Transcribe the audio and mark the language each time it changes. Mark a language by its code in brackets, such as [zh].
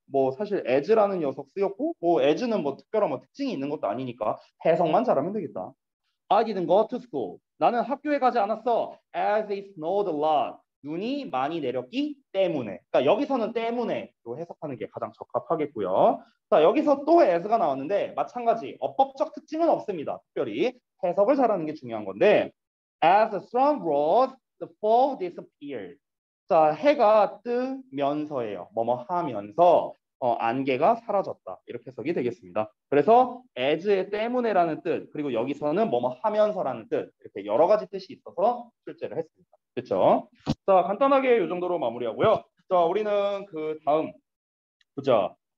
[ko] 뭐 사실 as라는 녀석 쓰였고 뭐 as는 뭐 특별한 뭐 특징이 있는 것도 아니니까 해석만 잘하면 되겠다. [en] I didn't go to school. [ko] 나는 학교에 가지 않았어. [en] As it snowed a lot. [ko] 눈이 많이 내렸기 때문에. 그러니까 여기서는 때문에 해석하는 게 가장 적합하겠고요. 자, 여기서 또 as가 나왔는데 마찬가지 어법적 특징은 없습니다. 특별히 해석을 잘하는 게 중요한 건데 [en] as the sun rose, the fog disappeared. [ko] 자, 해가 뜨면서예요. 뭐뭐 하면서 안개가 사라졌다. 이렇게 해석이 되겠습니다. 그래서 as의 때문에라는 뜻 그리고 여기서는 뭐뭐 하면서라는 뜻 이렇게 여러 가지 뜻이 있어서 출제를 했습니다. 그렇죠. 자, 간단하게 이 정도로 마무리하고요. 자, 우리는 그 다음 보자.